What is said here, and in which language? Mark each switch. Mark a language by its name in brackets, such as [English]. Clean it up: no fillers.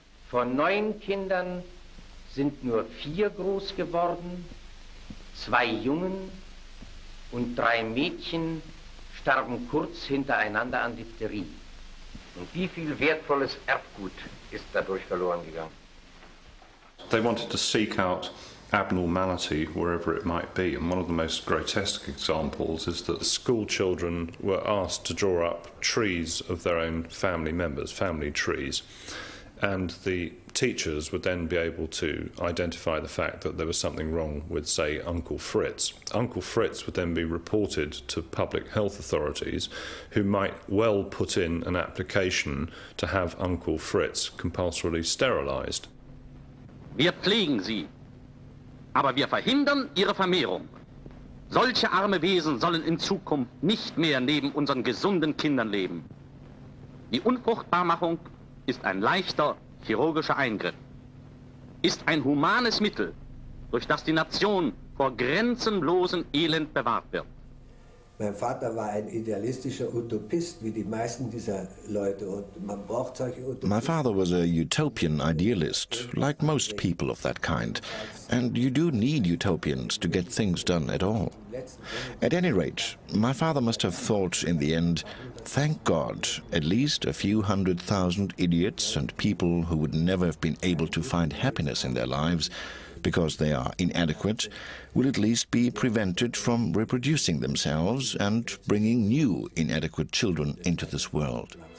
[German] Von 9 Kindern sind nur 4 groß geworden, 2 Jungen und 3 Mädchen starben kurz hintereinander an Diphtherie. Und wie viel wertvolles Erbgut ist dadurch verloren gegangen? [English] They wanted to seek out abnormality wherever it might be, and one of the most grotesque examples is that the school children were asked to draw up trees of their own family members, family trees, and the teachers would then be able to identify the fact that there was something wrong with, say, Uncle Fritz. Uncle Fritz would then be reported to public health authorities, who might well put in an application to have Uncle Fritz compulsorily sterilized. [German] Wir pflegen sie, aber wir verhindern ihre Vermehrung. Solche arme Wesen sollen in Zukunft nicht mehr neben unseren gesunden Kindern leben. Die Unfruchtbarmachung ist ein leichter chirurgischer Eingriff, ist ein humanes Mittel, durch das die Nation vor grenzenlosem Elend bewahrt wird. Mein Vater war ein idealistischer Utopist, wie die meisten dieser Leute, und man braucht solche Utopisten. [English] My father was a utopian idealist, like most people of that kind, and you do need utopians to get things done at all. At any rate, my father must have thought in the end, thank God, at least a few hundred thousand idiots and people who would never have been able to find happiness in their lives, because they are inadequate, will at least be prevented from reproducing themselves and bringing new inadequate children into this world.